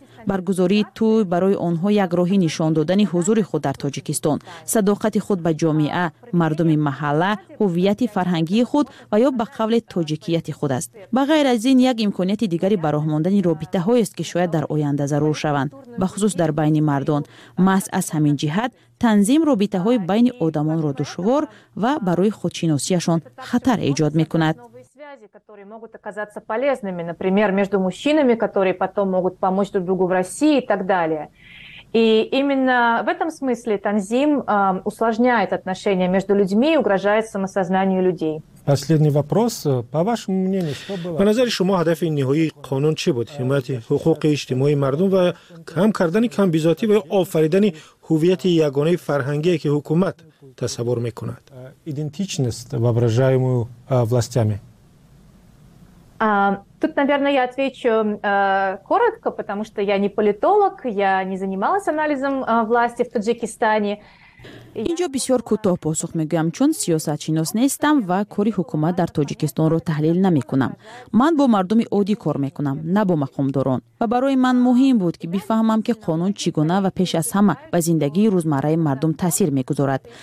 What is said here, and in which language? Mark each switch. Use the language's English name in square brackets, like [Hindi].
[Tajik] Баргузории туй барои онҳо як роҳи нишон додани ҳузури худ дар Тоҷикистон, садоқати худ ба ҷомеа, мардуми маҳалла, ҳувияти фарҳангии худ ва ё ба қавле тоҷикияти худ аст. Ба ғайр аз ин, як имконияти дигари бароҳ мондани робитаҳоест, ки шояд дар оянда зарур шаванд, ба хусус дар байни мардон. Маҳз аз ҳамин ҷиҳат танзим робитаҳои байни одамонро душвор ва барои худшиносиашон хатар эҷод мекунад. [Russian] Которые могут оказаться полезными, например, между мужчинами, которые потом могут помочь друг другу в России и так далее. И именно в этом смысле танзим усложняет отношения между людьми и угрожает самосознанию людей. Последний вопрос. По вашему мнению, что было? [Tajik] По назаре шумо, хадафи нихуи конун чи буд? Химаяти хукуки иштимои мардум ва кам кардани кам бизоати ва офаридани хувияти ягонаи фарҳанги, ки хукумат тасаввур мекунад. [Russian] Идентичность, воображаемую властями. Тут, наверное, я отвечу коротко, потому что я не политолог, я не занималась анализом власти в Таджикистане. [Tajik] Инҷо бисёр кӯтоҳ посух мегӯям, чун сиёсатшинос нестам ва кори ҳукумат дар Тоҷикистонро таҳлил намекунам. Ман бо мардуми оддӣ кор мекунам, на бо мақомдорон. Ва барои ман муҳим буд, ки бифаҳмам, ки қонун чӣ гуна ва пеш аз ҳама ба зиндагии рӯзмарраи мардум таъсир мегузорад.